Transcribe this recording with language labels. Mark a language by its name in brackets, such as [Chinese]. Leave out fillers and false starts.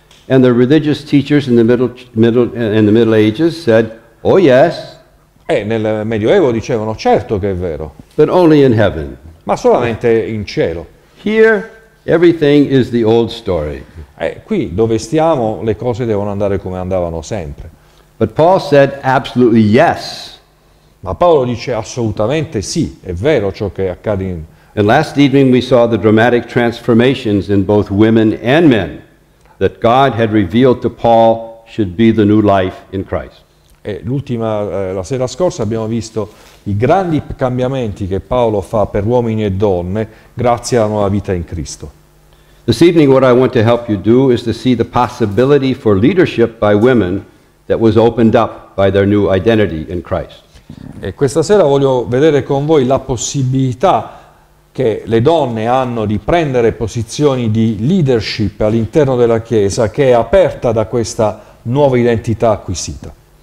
[English] And the religious teachers in the middle ages said, "Oh yes." [Italian] Nel Medioevo dicevano certo che è vero. [English] But only in heaven. [Italian] Ma solamente in cielo. [English] Here everything is the old story. [Italian] Qui dove stiamo le cose devono andare come andavano sempre. [English] But Paul said absolutely yes. [Italian] Ma Paolo dice assolutamente sì, è vero ciò che accade in. [English] And last evening we saw the dramatic transformations in both women and men that God had revealed to Paul should be the new life in Christ. [Italian] La sera scorsa abbiamo visto i grandi cambiamenti che Paolo fa per uomini e donne grazie alla nuova vita in Cristo. [English] This evening what I want to help you do is to see the possibility for leadership by women that was opened up by their new identity in Christ. [Italian] E questa sera voglio vedere con voi la possibilità che le donne hanno di prendere posizioni di leadership all'interno della Chiesa che è aperta da questa nuova identità acquisita.